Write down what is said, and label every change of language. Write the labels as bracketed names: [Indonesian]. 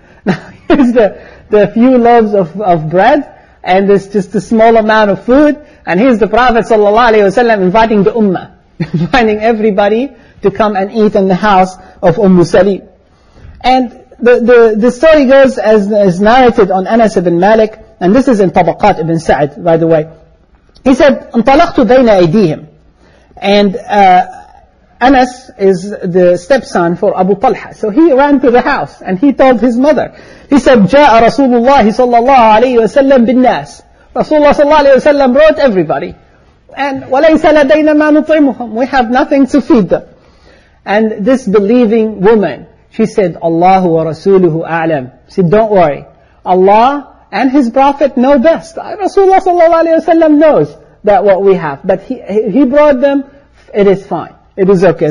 [English] Now here's the few loaves of bread, and there's just a small amount of food, and here's the Prophet sallallahu alayhi wa sallam inviting the Ummah, inviting everybody to come and eat in the house of Salim. And the story goes as narrated on Anas ibn Malik, and this is in Tabaqat ibn Sa'd, by the way. He said, [Arabic] انطلقتوا بين أيديهم. [English] And Anas is the stepson for Abu Talha. So he ran to the house and he told his mother. He said, [Arabic] جَاءَ رَسُولُ اللَّهِ صَلَّى اللَّهُ عَلَيْهِ وَسَلَّمْ بِالنَّاسِ. Rasulullah صلى الله عليه وسلم [English] brought everybody. And [Arabic] وَلَيْسَ لَدَيْنَا مَا نُطْعِمُهُمْ. [English] We have nothing to feed them. And this believing woman, she said, [Arabic] اللَّهُ وَرَسُولُهُ أَعْلَمْ. [English] She said, don't worry. Allah and his Prophet know best. Rasulullah صلى الله عليه وسلم knows that what we have. But he brought them, it is fine. It is okay.